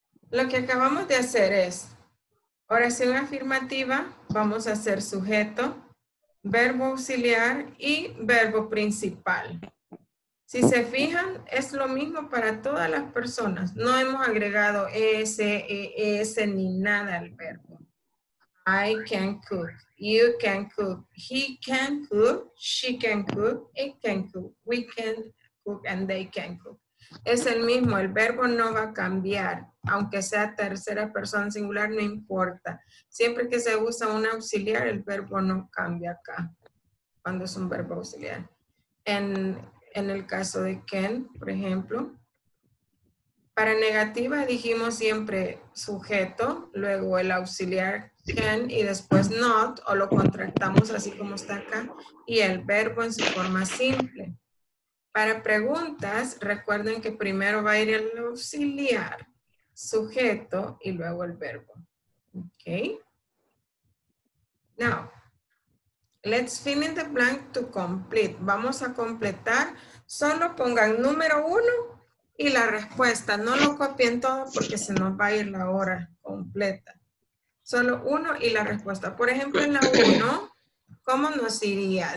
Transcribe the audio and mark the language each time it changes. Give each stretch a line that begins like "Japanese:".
Spanish: Lo que acabamos de hacer es oración afirmativa, vamos a hacer sujeto, verbo auxiliar y verbo principal. Si se fijan, es lo mismo para todas las personas. No hemos agregado es, es, ni nada al verbo.
English: I can cook, you can cook, he can cook, she can cook, it can cook, we can cook and they can cook. Es el mismo, el verbo no va a cambiar, aunque sea tercera persona singular, no importa. Siempre que se usa un auxiliar, el verbo no cambia acá, cuando es un verbo auxiliar. En el caso de can, por ejemplo, para negativa dijimos siempre sujeto, luego el auxiliar can y después not, o lo contractamos así como está acá, y el verbo en su forma simple. Para preguntas, recuerden que primero va a ir el auxiliar, sujeto y luego el verbo. Okay. Now, let's fill in the blank to complete.
Spanish: Vamos a completar. Solo pongan número uno y la respuesta. No lo copien todo porque se nos va a ir la hora completa. Solo uno y la respuesta. Por ejemplo, en la uno, ¿cómo nos iría?